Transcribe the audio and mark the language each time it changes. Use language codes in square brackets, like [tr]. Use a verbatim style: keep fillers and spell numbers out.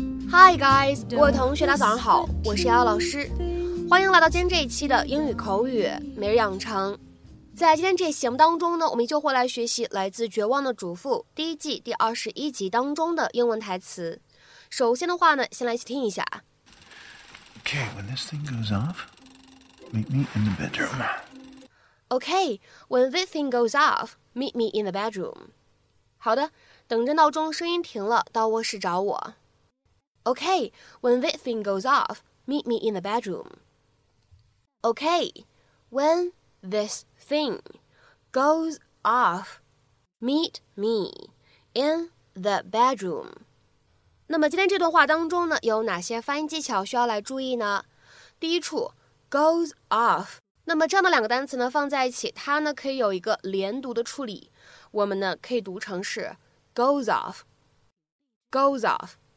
[en] Hi guys， [zh] 各位同学大家早上好，我是瑶瑶老师，欢迎来到今天这一期的英语口语每日养成。在今天这期节目当中呢，我们依旧会来学习来自《绝望的主妇》第一季第二十一集当中的英文台词。首先的话呢，先来一起听一下。 [en] Okay, when this thing goes off, meet me in the bedroom. Okay, when this thing goes off, meet me in the bedroom. [zh] 好的，等着闹钟声音停了，到卧室找我。 [en] Okay, when this thing goes off, meet me in the bedroom. Okay, when this thing goes off, meet me in the bedroom. [zh] 那么今天这段话当中呢，有哪些发音技巧需要来注意呢？第一处 goes off， 那么这样的两个单词呢放在一起，它呢可以有一个连读的处理，我们呢可以读成是 goes off, goes off.